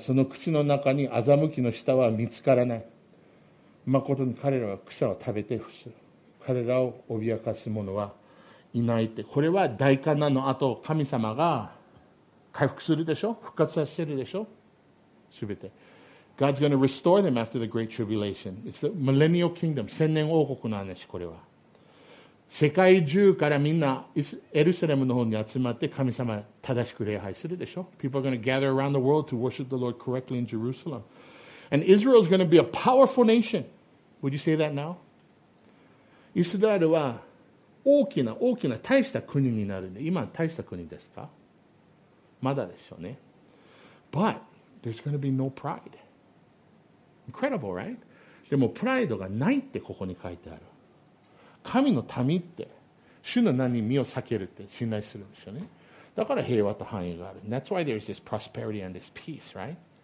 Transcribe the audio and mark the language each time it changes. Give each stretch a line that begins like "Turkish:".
Japanese: その口の中に欺きの舌は見つからない。まことに彼らは草を食べて伏す。彼らを脅かす者はいないって。これは大患難の後、神様が回復するでしょ、復活させるでしょ、すべて。
English: God's going to restore them after the great tribulation. It's the millennial kingdom,
Japanese: 千年王国の話、これは。世界中からみんなエルサレムの方に集まって神様正しく礼拝するでしょ。
English: People are going to gather around the world to worship the Lord correctly in Jerusalem. And Israel is going to be a powerful nation. Would you say that now?
Japanese: イスラエルは大きな大きな大した国になるね。今大した国ですか？まだでしょうね。
English: But there's going to be no pride. Incredible, right?
Japanese: でもプライドがないってここに書いてある。神の民って主の名に身を避けるって信頼するでしょうね。だから平和と繁栄がある。
English: And、that's why there's this prosperity and this peace, right?